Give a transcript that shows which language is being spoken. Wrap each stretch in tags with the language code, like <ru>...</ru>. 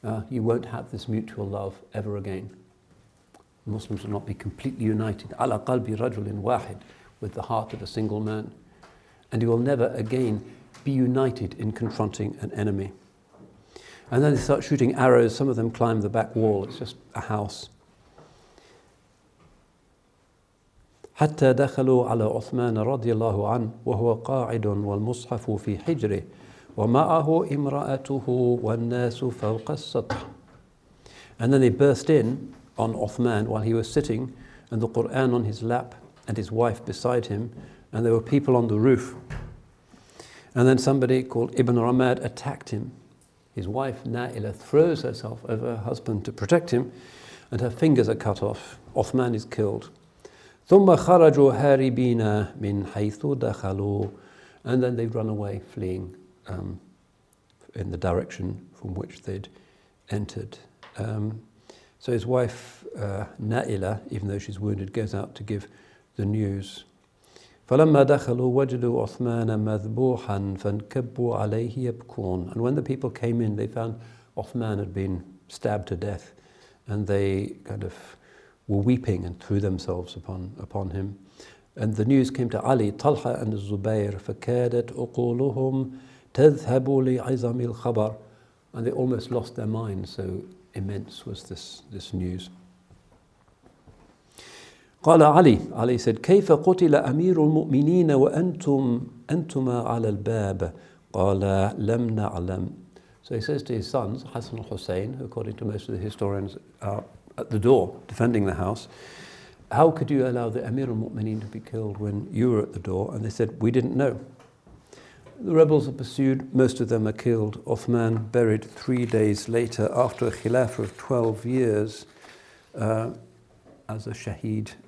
<en>You won't have this mutual love ever again. Muslims will not be completely united.</en> <ar>Ala qalbi rajulin wahid,</ar> <en>with the heart of a single man. And you will never again be united in confronting an enemy. And then they start shooting arrows. Some of them climb the back wall. It's just a house.</en> <ar>حتى دخلوا على عثمان رضي الله عنه وهو قاعد والمصحف في حجره ومعه امرأته والناس فوق السطح.</ar> <en>And then they burst in on Uthman while he was sitting, and the Quran on his lap and his wife beside him, and there were people on the roof. And then somebody called Ibn Ramad attacked him. His wife Naila throws herself over her husband to protect him, and her fingers are cut off. Uthman is killed.</en> <ar>ثم خرجوا هاربين من حيث دخلوا.</ar> <en>And then they run away, fleeing in the direction from which they'd entered. So his wife, Naila, even though she's wounded, goes out to give the news.</en> <ar>فلما دخلوا وجدوا عثمان مذبوحا فانكبوا عليه يبكون.</ar> <en>And when the people came in, they found Uthman had been stabbed to death, and they kind of were weeping and threw themselves upon him. And the news came to Ali, Talha and Zubair,</en> <ar>فكادت أقولهم تذهب لعظم الخبر.</ar> <en>And they almost lost their minds, so immense was this news.</en> <ar>قال علي,</ar> <en>Ali said,</en> <ar>كيف قتل أمير المؤمنين وأنتما على الباب؟ قال لم نعلم.</ar> <en>So he says to his sons, Hassan and Hussein, who according to most of the historians are at the door defending the house, how could you allow the Amir al-Mu'mineen to be killed when you were at the door? And they said, we didn't know. The rebels are pursued, most of them are killed. Uthman buried 3 days later after a khilafah of 12 years as a shaheed.</en>